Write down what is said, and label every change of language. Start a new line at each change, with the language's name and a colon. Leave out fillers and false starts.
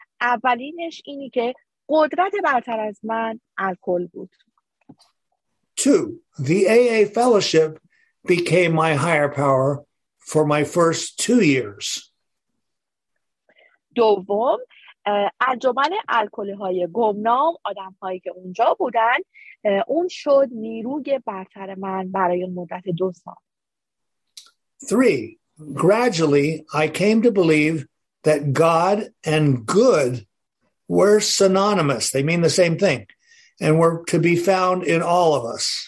Persian: اولینش اینی که قدرت برتر از من الکل بود.
English: 2. The AA fellowship became my higher power for my first 2 years.
Persian: دوم، انجمن الکل‌های گمنام، آدم‌هایی که اونجا بودن، اون شد نیروی برتر من برای مدت 2 سال.
English: 3. Gradually I came to believe that God and good were synonymous. They mean the same thing and were to be found in all of us.